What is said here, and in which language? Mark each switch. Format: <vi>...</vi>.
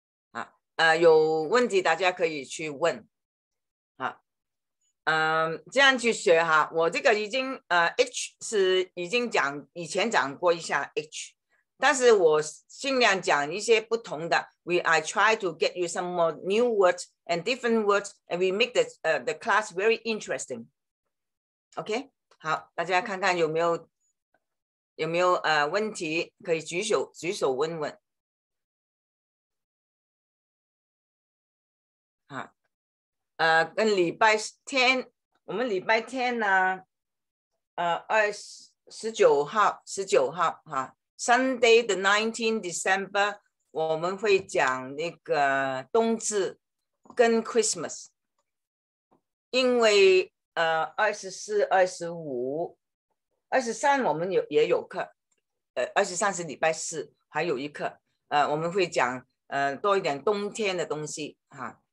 <zh>啊，有问题大家可以去问。这样去学哈，我这个已经H 是已经讲，以前讲过一下 H， 但是我尽量讲一些不同的。</zh> <en>I try to get you some more new words and different words, and we make the class very interesting.</en> <zh>OK， 好，大家看看有没有问题，可以举手问问。跟礼拜天，我们礼拜天呢，19号哈 ，</zh> <en>Sunday the 19th December，</en> <zh>我们会讲那个冬至跟 Christmas， 因为24、25、23我们也有课，23是礼拜四，还有一课，我们会讲多一点冬天的东西哈。</zh>